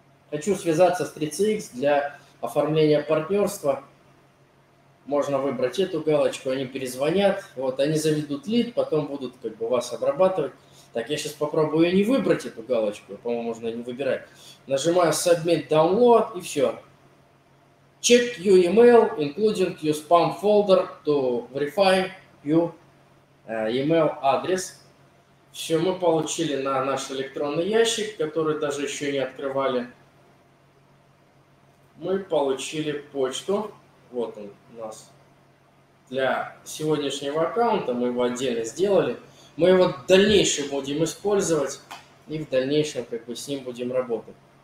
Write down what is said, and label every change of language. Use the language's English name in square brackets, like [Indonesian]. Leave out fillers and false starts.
[Russian] Хочу связаться с 3CX для оформления партнерства. Можно выбрать эту галочку, они перезвонят, вот, они заведут лид, потом будут как бы вас обрабатывать. Так, я сейчас попробую не выбрать эту галочку, по-моему, можно не выбирать. Нажимаю submit download и все. [English] Check your email, including your spam folder to verify your email адрес. [Russian] Все, мы получили на наш электронный ящик, который даже еще не открывали. Мы получили почту. Вот он у нас для сегодняшнего аккаунта. Мы его отдельно сделали. Мы его в дальнейшем будем использовать и в дальнейшем как бы с ним будем работать.